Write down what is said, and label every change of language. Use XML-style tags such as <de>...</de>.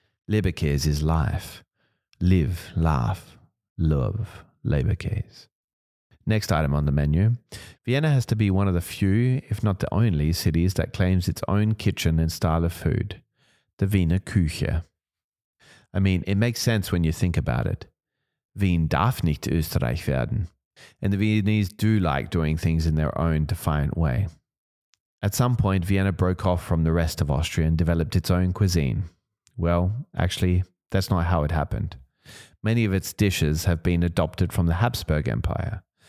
<en>Leberkäse is life. Live, laugh, love Leberkäse. Next item on the menu. Vienna has to be one of the few, if not the only, cities that claims its own kitchen and style of food. The Wiener Küche. I mean, it makes sense when you think about it.</en> <de>Wien darf nicht Österreich werden.</de> <en>And the Viennese do like doing things in their own defiant way. At some point, Vienna broke off from the rest of Austria and developed its own cuisine. Well, actually, that's not how it happened. Many of its dishes have been adopted from the Habsburg Empire.</en>